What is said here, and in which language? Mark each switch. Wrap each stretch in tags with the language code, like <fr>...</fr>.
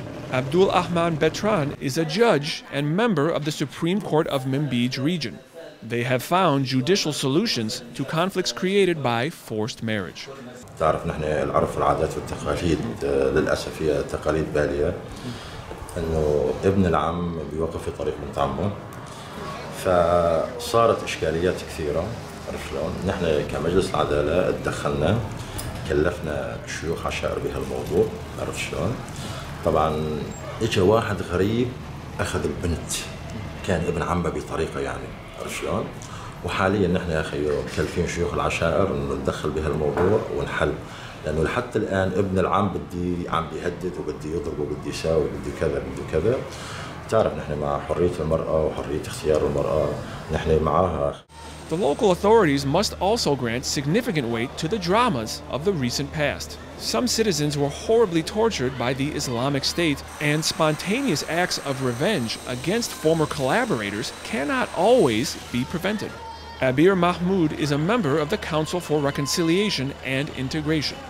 <en>Abdul Ahman Betran is a judge and member of the Supreme Court of Membij region. They have found judicial solutions to conflicts created by forced marriage.</en> <ar>تعرف نحن العرف العادات والتقاليد للأسف هي تقاليد بالية إنه ابن العم بيوقف في طريق بنت عمه فصارت إشكاليات كثيرة عرف شلون نحن كمجلس العدالة تدخلنا كلفنا شيوخ عشائر بهالموضوع عرف شلون طبعا اجى واحد غريب اخذ البنت كان ابن عمه بطريقه يعني عرفت شلون؟ وحاليا نحن يا اخي مكلفين شيوخ العشائر انه نتدخل بهالموضوع ونحل لانه لحتى الان ابن العم بيهدد وبدي يضرب وبدي يساوي وبدي كذا بدي كذا بتعرف نحن مع حريه المراه وحريه اختيار المراه نحن معاها</ar> <en>The local authorities must also grant significant weight to the dramas of the recent past. Some citizens were horribly tortured by the Islamic State, and spontaneous acts of revenge against former collaborators cannot always be prevented. Abir Mahmoud is a member of the Council for Reconciliation and Integration.</en>